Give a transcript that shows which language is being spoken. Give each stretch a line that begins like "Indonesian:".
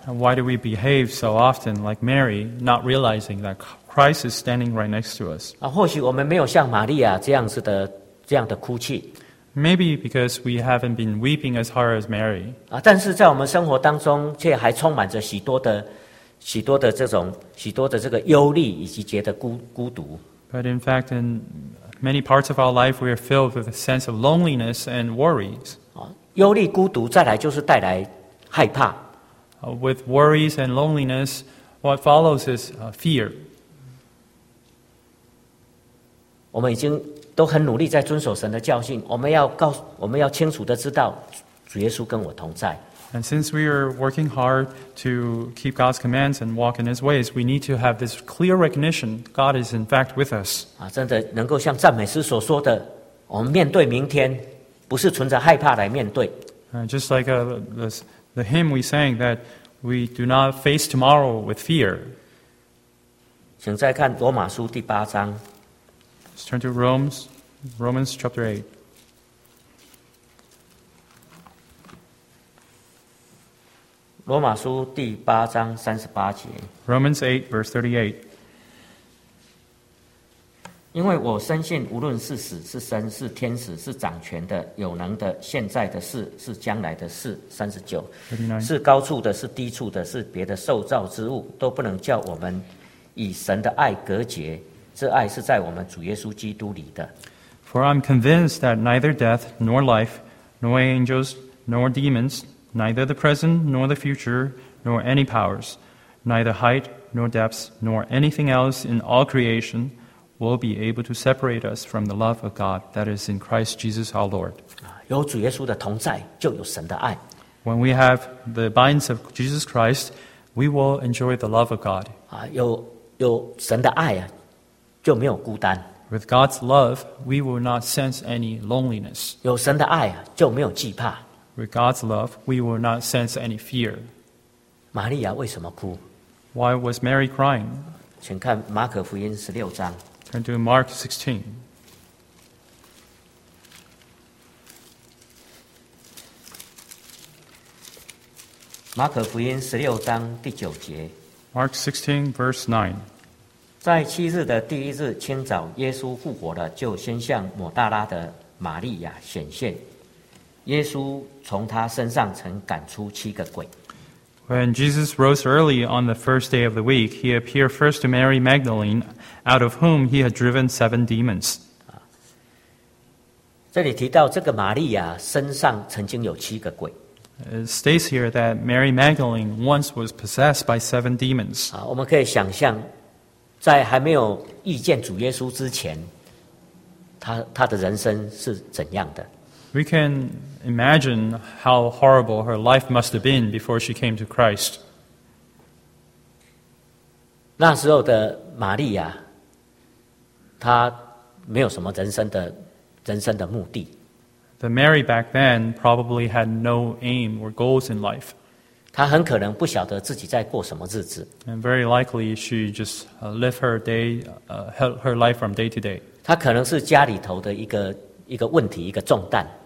English: Why do we behave so often like Mary, not realizing that Christ is standing right next to us?
Chinese: 或许我们没有像玛利亚这样的哭泣。
English: Maybe because we haven't been weeping as hard as Mary.
Chinese: 但是在我们生活当中却还充满着许多的这个忧虑以及觉得孤独。
English: But in fact, in many parts of our life, we are filled with a sense of loneliness and worries.
Chinese: 忧虑孤独再来就是带来害怕。
English: With worries and loneliness, what follows is fear.
Chinese: 我们已经都很努力在遵守神的教训，我们要清楚的知道主耶稣跟我同在。
English: And since we are working hard to keep God's commands and walk in His ways, we need to have this clear recognition God is in fact with us.
Chinese: 真的能够像赞美诗所说的，我们面对明天，不是存着害怕来面对。
English: Just like the hymn we sang, that we do not face tomorrow with fear.
Chinese: 请再看罗马书第八章。
English: Let's turn to Romans chapter 8.
Chinese: 罗马书第八章三十八节。
English: Romans 8 verse 38.
Chinese: 因为我深信，无论是死是生，是天使是掌权的、有能的、现在的事是将来的事，三十九，是高处的，是低处的，是别的受造之物，都不能叫我们与神的爱隔绝。这爱是在我们主耶稣基督里的。
English: For I'm convinced that neither death nor life, nor angels nor demons. Neither the present nor the future nor any powers, neither height nor depths nor anything else in all creation will be able to separate us from the love of God that is in Christ Jesus our Lord.
Chinese: 有主耶稣的同在，就有神的爱。
English: When we have the binds of Jesus Christ, we will enjoy the love of God.
Chinese: 有神的爱啊，就没有孤单。
English: With God's love, we will not sense any loneliness.
Chinese: 有神的爱啊，就没有惧怕。
English: With God's love, we will not sense any fear.
Chinese: 玛利亚为什么哭?
English: Why was Mary crying?
Chinese: 请看马可福音十六章。
English: Turn to Mark 16.
Chinese: 马可福音十六章第九节。
English: Mark 16, verse 9.
Chinese: 在七日的第一日清早，耶稣复活了，就先向抹大拉的玛利亚显现。耶稣从他身上曾赶出七个鬼。
English: When Jesus rose early on the first day of the week, he appeared first to Mary Magdalene, out of whom he had driven seven demons.
Chinese: 这里提到这个玛利亚身上曾经有七个鬼。
English: It states here that Mary Magdalene once was possessed by seven demons.
Chinese: 我们可以想象，在还没有遇见主耶稣之前，他的人生是怎样的。
English: We can imagine how horrible her life must have been before she came to Christ.
Chinese: 那时候的玛利亚，她没有什么人生的目的。
English: The Mary back then probably had no aim or goals in life.
Chinese: 她很可能不晓得自己在过什么日子。
English: And very likely she just lived her day, her life from day to day.
Chinese: 她可能是家里头的一个问题，一个重担。